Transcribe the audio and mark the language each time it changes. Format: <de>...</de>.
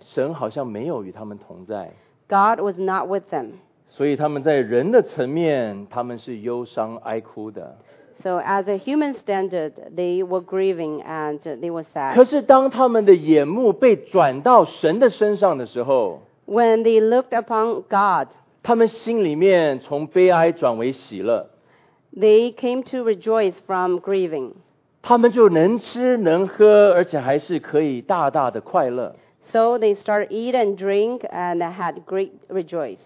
<zh>神好像没有与他们同在。</zh> <en>God was not with them.</en> <zh>所以他们在人的层面，他们是忧伤哀哭的。</zh> <en>So as a human standard, they were grieving and they were sad.</en> <zh>可是当他们的眼目被转到神的身上的时候，</zh> <en>When they looked upon God,</en> <zh>他们心里面从悲哀转为喜乐。</zh> <en>They came to rejoice from grieving.</en> <zh>他们就能吃能喝，而且还是可以大大的快乐。</zh> <en>So they started to eat and drink and had great rejoice.</en>